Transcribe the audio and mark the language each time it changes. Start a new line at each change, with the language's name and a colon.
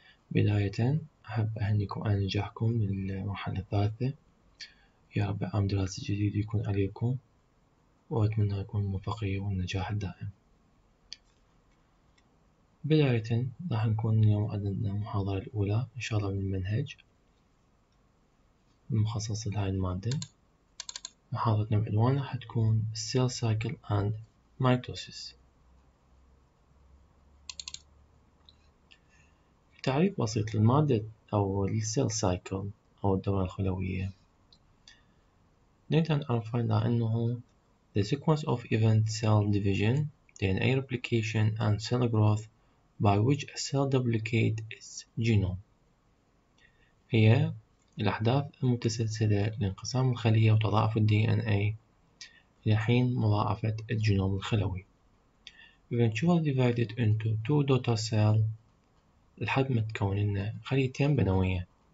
Arabic: بداية أحب أهنيكم على نجاحكم للمرحلة الثالثة، يا رب عام دراسي جديد يكون عليكم، وأتمنى لكم الموفقية والنجاح الدائم. بداية راح نكون اليوم عندنا المحاضرة الأولى إن شاء الله من المنهج المخصص لهذه المادة. محاضرتنا بعنوانها حتكون Cell Cycle and Mitosis. تعريف بسيط للمادة أو Cell Cycle أو الدورة الخلوية، نقدر نعرفها على أنه
English: The sequence of event cell division, DNA replication and cell growth by which a cell duplicate its genome.
Arabic: هي الأحداث المتسلسلة لانقسام الخلية وتضاعف الـ DNA إلى حين مضاعفة الجينوم الخلوي.
English: Eventually divided into two daughter cells
Arabic: لحد ما تكون لنا خليتين بنوية.